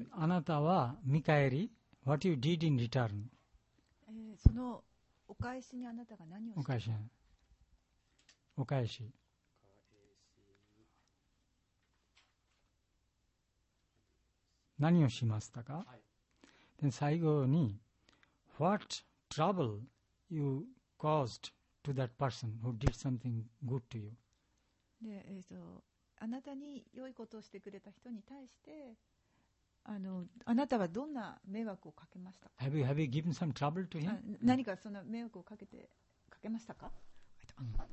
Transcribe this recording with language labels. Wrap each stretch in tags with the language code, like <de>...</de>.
<ja>あなたは見返り、</ja> <en>What you did in return、</en> <ja>そのお返しにあなたが何をしたか、お返し、お返し、何をしましたか、はい、で最後に</ja> <en>What trouble you caused to that person who did something good to you。</en> <ja>で、あなたに良いことをしてくれた人に対して あなたはどんな迷惑をかけましたか。</ja> <en>Have you given some trouble to him?</en> <ja>何かそんな迷惑をかけましたか、うん、</ja>